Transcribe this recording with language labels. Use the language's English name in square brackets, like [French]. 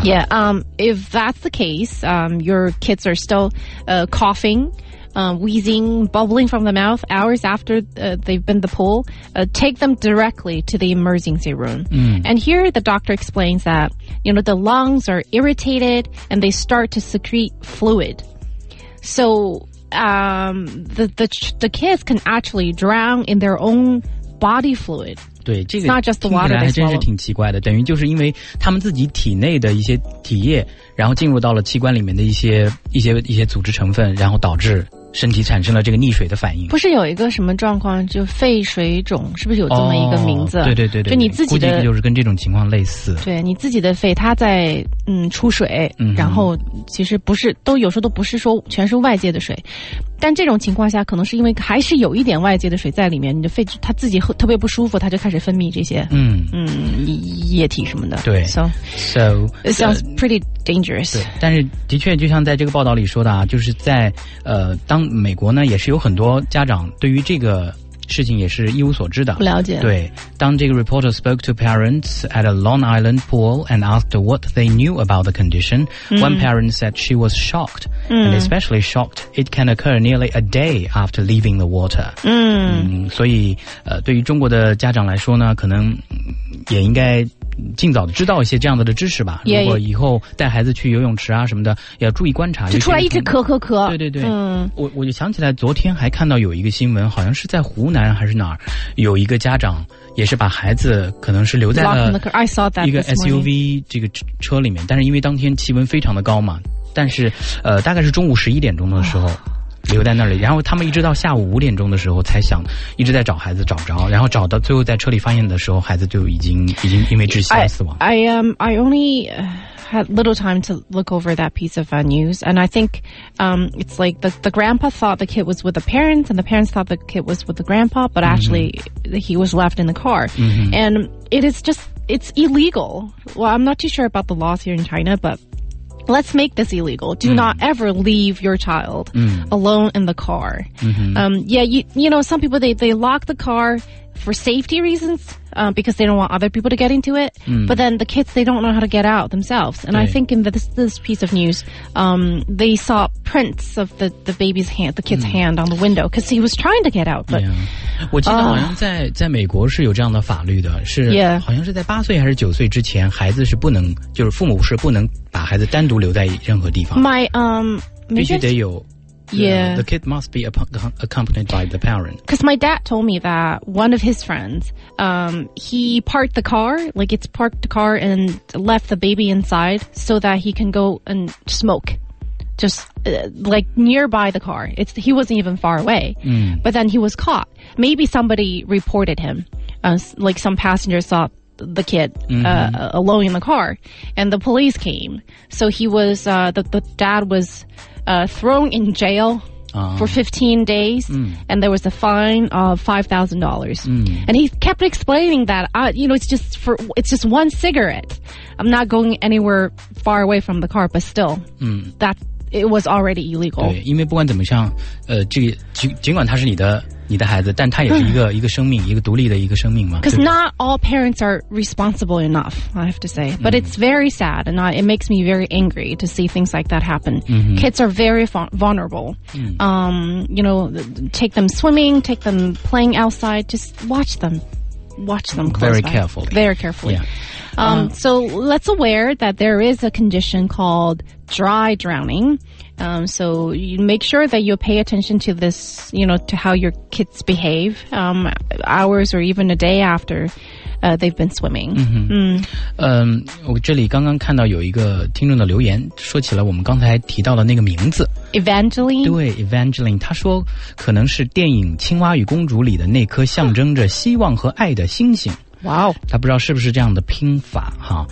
[English] Yeah, if that's the case, your kids are still coughing, wheezing, bubbling from the mouth hours after they've been in the pool, take them directly to the emergency room. And here the doctor explains that, you know, the lungs are irritated and they start to secrete fluid. So... the kids can actually drown in their own body fluid. [Chinese] 对，这个听起来还真是挺奇怪的。等于就是因为他们自己体内的一些体液，然后进入到了器官里面的一些组织成分，然后导致身体产生了这个溺水的反应。不是有一个什么状况，就肺水肿，是不是有这么一个名字？哦、对对对对，就你自己的，估计就是跟这种情况类似。对，你自己的肺，它在出水，然后其实不是，都有时候都不是说全是外界的水。但这种情况下可能是因为还是有一点外界的水在里面，你的肺它自己特别不舒服，它就开始分泌这些液体什么的。对， [English] so it sounds pretty dangerous. [Chinese] 对，但是的确就像在这个报道里说的啊，就是在当美国呢也是有很多家长对于这个事情也是一无所知的，不了解。对，当这个 [English] reporter spoke to parents at a Long Island pool and asked what they knew about the condition, one parent said she was shocked, and especially shocked it can occur nearly a day after leaving the water. [Chinese] 所以对于中国的家长来说呢，可能也应该尽早知道一些这样的知识吧。如果以后带孩子去游泳池啊什么的，要注意观察。就出来一直咳咳咳。对对对，我就想起来，昨天还看到有一个新闻，好像是在湖南还是哪儿，有一个家长也是把孩子可能是留在了一个 SUV 这个车里面，但是因为当天气温非常的高嘛，但是大概是中午11点钟的时候。留在那里，然后他们一直到下午5点钟的时候才想，一直在找孩子找不着，然后找到最后在车里发现的时候，孩子就已经因为窒息而死亡。 [English] I only had little time to look over that piece of news, and I think it's like the grandpa thought the kid was with the parents, and the parents thought the kid was with the grandpa, but actually he was left in the car, and it is just it's illegal. Well, I'm not too sure about the laws here in China, but. Let's make this illegal. Do not ever leave your child alone in the car. You know, some people, they lock the car for safety reasons because they don't want other people to get into it. But then the kids, they don't know how to get out themselves. And I think in this piece of news, they saw prints of the baby's hand, the kid's hand on the window because he was trying to get out. But, yeah. [Chinese] 我记得好像在美国是有这样的法律的，是好像是在8岁还是9岁之前，孩子是不能，就是父母是不能把孩子单独留在任何地方。必须得有。 [English] The kid must be accompanied by the parent. Because my dad told me that one of his friends, he parked the car, like it's parked the car and left the baby inside so that he can go and smoke. Just like nearby the car. He wasn't even far away. But then he was caught. Maybe somebody reported him, like some passenger saw the kid alone in the car. And the police came. So he was, the dad was... thrown in jail for 15 days, and there was a fine of $5,000. And he kept explaining that, you know, it's just one cigarette. I'm not going anywhere far away from the car, but still, that it was already illegal. [Chinese] 对，因为不管怎么像，这个尽管他是你的孩子，但他也是一个生命，一个独立的一个生命嘛。 [English] Because not all parents are responsible enough, I have to say. But it's very sad, and it makes me very angry to see things like that happen. Kids are very vulnerable. You know, take them swimming, take them playing outside, just watch them. Watch them closely. Very carefully. Very carefully. Yeah. So let's aware that there is a condition called dry drowning. So you make sure that you pay attention to this, you know, to how your kids behave, hours or even a day after, they've been swimming. [Chinese] 我这里刚刚看到有一个听众的留言，说起了我们刚才提到的那个名字 [English] ，Evangeline。 [Chinese] 对 ，Evangeline， 他说可能是电影《青蛙与公主》里的那颗象征着希望和爱的星星。哇哦，他不知道是不是这样的拼法哈，